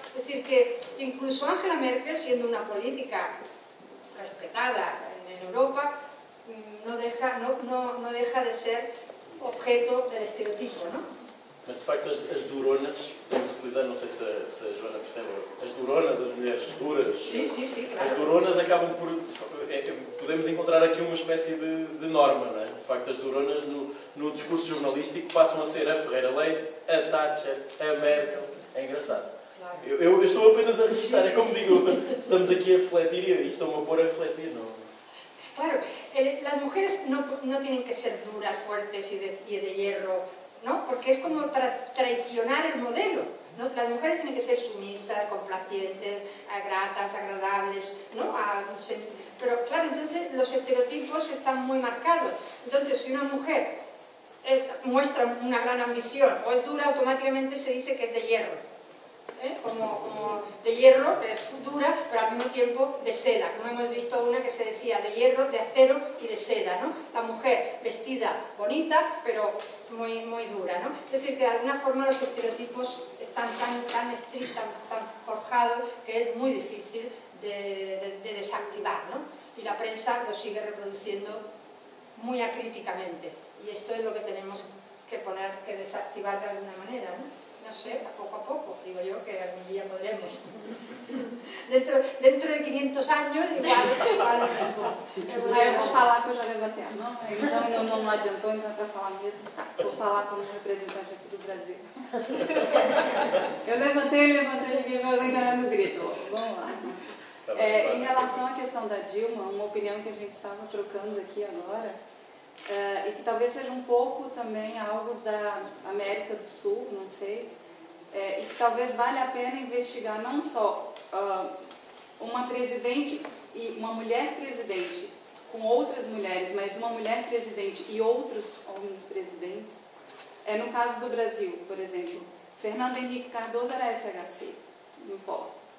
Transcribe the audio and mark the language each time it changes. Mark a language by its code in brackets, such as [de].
[es] Es decir, que incluso Angela Merkel, siendo una política respetada en Europa, no deja de ser objeto del estereotipo, ¿no? [pt] Mas de facto as duronas, vamos utilizar, não sei se a Joana percebe, as duronas, as mulheres duras, sim, claro. As duronas acabam por... podemos encontrar aqui uma espécie de norma, não é? De facto as duronas no discurso jornalístico passam a ser a Ferreira Leite, a Thatcher, a Merkel. É engraçado. Claro. Eu estou apenas a registrar, é como digo, estamos aqui a refletir e estão-me a pôr a refletir, não. Claro, as mulheres não têm que ser duras, fortes e de hierro. [es] ¿No? Porque es como traicionar el modelo, ¿no? Las mujeres tienen que ser sumisas, complacientes, gratas, agradables, ¿no? Pero claro, entonces los estereotipos están muy marcados. Entonces, si una mujer muestra una gran ambición o es dura, automáticamente se dice que es de hierro, ¿eh? Como de hierro, es dura, pero al mismo tiempo de seda, como hemos visto una que se decía de hierro, de acero y de seda, ¿no? La mujer vestida bonita, pero muy, muy dura, ¿no? Es decir, que de alguna forma los estereotipos están tan estrictos, tan forjados, que es muy difícil de desactivar, ¿no? Y la prensa lo sigue reproduciendo muy acríticamente. Y esto es lo que tenemos que poner, que desactivar de alguna manera, ¿no? No sé, poco a poco, digo yo, que algún día podremos. Dentro de 500 años, igual. [pt] Vou falar com o Jovem Batendo, não? Ainda não me adiantou, então, para falar disso, vou falar com os representantes aqui do Brasil. Eu levantei aqui, mas ainda não grito. Vamos lá. Em relação à questão da Dilma, uma opinião que a gente estava trocando aqui agora, e que talvez seja um pouco também algo da América do Sul, não sei, e que talvez valha a pena investigar não só uma presidente e uma mulher presidente com outras mulheres, mas uma mulher presidente e outros homens presidentes, é no caso do Brasil, por exemplo, Fernando Henrique Cardoso era FHC, no pó.